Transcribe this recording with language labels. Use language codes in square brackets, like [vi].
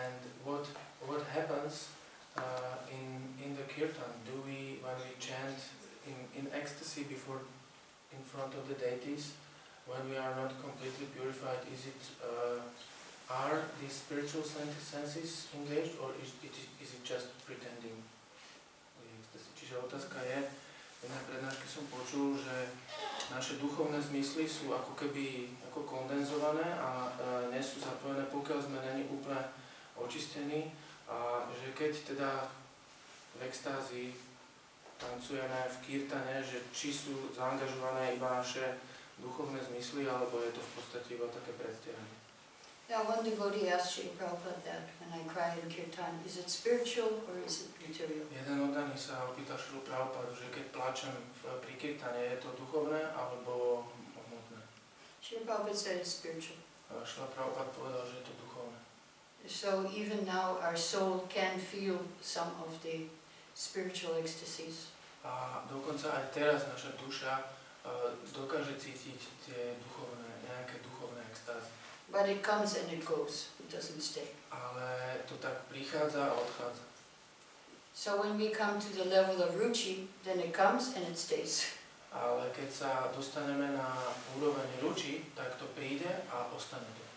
[en] And what happens in the kirtan? Do we, when we chant in ecstasy before, in front of the deities, when we are not completely purified, is it are these spiritual senses engaged, or is it just pretending? [sk] Čiže otázka je, na prednáške som počul, že naše duchovné zmysly sú ako keby ako kondenzované a nie sú zapojené, pokiaľ sme není úplne očistení, a že keď teda v extázi tancujeme v kirtane, že či sú zaangažované iba naše duchovné zmysly, alebo je to v podstate iba také predstieranie. [en] Now one devotee asked Sri Prabhupada that when I cry in kirtan, is it spiritual or is it material? [sk] Jeden oddaný sa opýtal Sri Prabhupada, že keď plačem pri kirtane, je to duchovné alebo hmotné? [en] Sri Prabhupada said it's spiritual. [sk] Sri Prabhupada povedal, že je to duchovné. [en] So even now our soul can feel some of the spiritual ecstasies. [sk] A dokonca aj teraz naša duša dokáže cítiť tie duchovné, nejaké duchovné extázy. [en] But it comes and it goes. It doesn't stay. [sk] Ale to tak prichádza a odchádza. [en] So when we come to the level of ruchi, then it comes and it stays. [sk] Ale keď sa dostaneme na úroveň ruchi, tak to príde a ostane to.